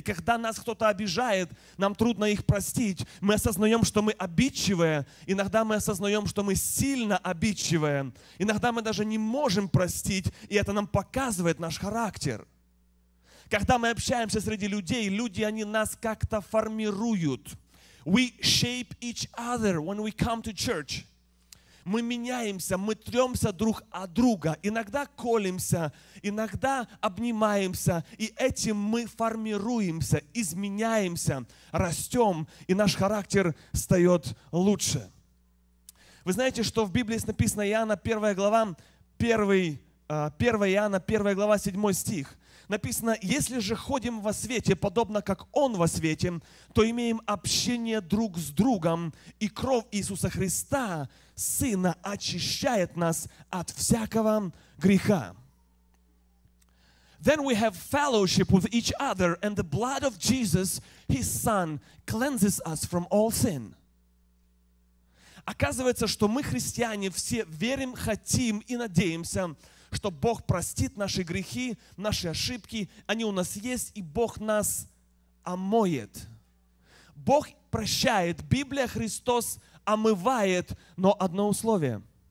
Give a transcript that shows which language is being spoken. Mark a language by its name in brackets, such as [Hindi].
[Russian] И когда нас кто-то обижает, нам трудно их простить. Мы осознаем, что мы обидчивые. Иногда мы осознаем, что мы сильно обидчивые. Иногда мы даже не можем простить, и это нам показывает наш характер. Когда мы общаемся среди людей, люди, они нас как-то формируют. [English] We shape each other when we come to church. [Russian] Мы меняемся, мы трёмся друг о друга, иногда колемся, иногда обнимаемся, и этим мы формируемся, изменяемся, растем, и наш характер стает лучше. Вы знаете, что в Библии написано Иоанна 1 глава, 1 Иоанна 1 глава, 7 стих. Написано, если же ходим во свете, подобно как Он во свете, то имеем общение друг с другом, и кровь Иисуса Христа, Сына, очищает нас от всякого греха. [English] Then we have fellowship with each other, and the blood of Jesus, His Son, cleanses us from all sin. [Russian] Оказывается, что мы, христиане, все верим, хотим и надеемся, что Бог простит наши грехи, наши ошибки, они у нас есть, и Бог нас омоет. Бог прощает, Библия, Христос омывает, но одно условие.